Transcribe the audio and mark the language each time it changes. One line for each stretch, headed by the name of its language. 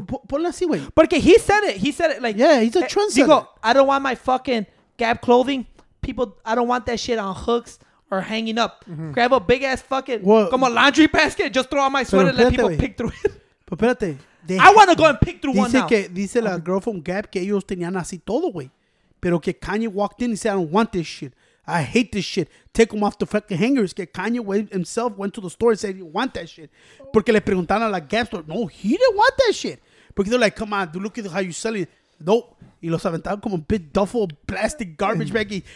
Spanish: Ponle así, güey.
English: Porque he said it. He said it like. Yeah, he's a trendsetter. Digo, I don't want my fucking Gap clothing. People, I don't want that shit on hooks or hanging up. Mm-hmm. Grab a big ass fucking, como laundry basket. Just throw on my sweater and let people pick through it. But espérate. I want to go and pick through one now.
Spanish: Que, dice la girl from Gap que ellos tenían así todo, güey. Pero que
English: Kanye walked in and said, I don't want this shit. I hate this shit. Take them off the fucking hangers. Que Kanye himself went to the store and said, you want that shit?
Spanish: Porque le preguntaron a la Gap store.
English: No, he didn't want that shit. Porque they're like, come on, dude, look at how you're selling it. Nope.
Spanish: Y los aventaron como a
English: big duffel plastic garbage baggy.